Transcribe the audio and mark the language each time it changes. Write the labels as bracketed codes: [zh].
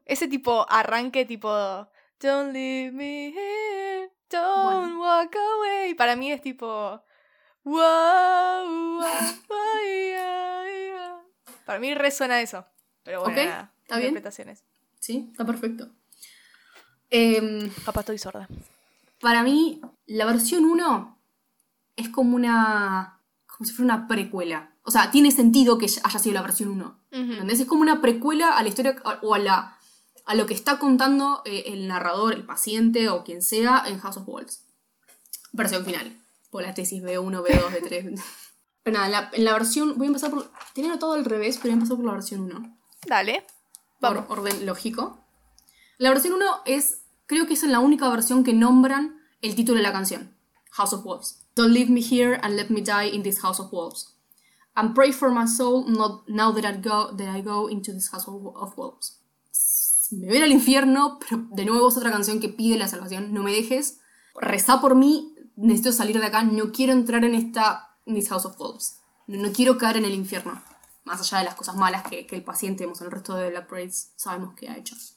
[es] Ese tipo arranque, tipo [en] don't leave me here, don't walk away. [es] Para mí es tipo para mí resuena eso. Pero bueno, [en] okay, [es] nada, interpretaciones. Bien. Sí, está perfecto. Papá, estoy sorda. Para mí, la versión 1 es como una. Como si fuera una precuela. O sea, tiene sentido que haya sido la versión 1. Uh-huh. ¿Entendés? Es como una precuela a la historia o a lo que está contando el narrador, el paciente o quien sea en House of Wolves. Versión final. Por la tesis B1, B2, B3. Pero nada, en la versión. Voy a empezar por. Tenía todo al revés, pero voy a empezar por la versión 1. Dale. Vamos. Por orden lógico. La versión 1 es, creo que es la única versión que nombran el título de la canción. [en] House of Wolves. Don't leave me here and let me die in this house of wolves. And pray for my soul not now that I go into this house of wolves. [es] Me voy al infierno, pero de nuevo es otra canción que pide la salvación. No me dejes. Reza por mí. Necesito salir de acá. No quiero entrar en [en] this house of wolves. [es] No quiero caer en el infierno. Más allá de las cosas malas que el paciente, o sea, el resto de Black Parade sabemos que ha hecho.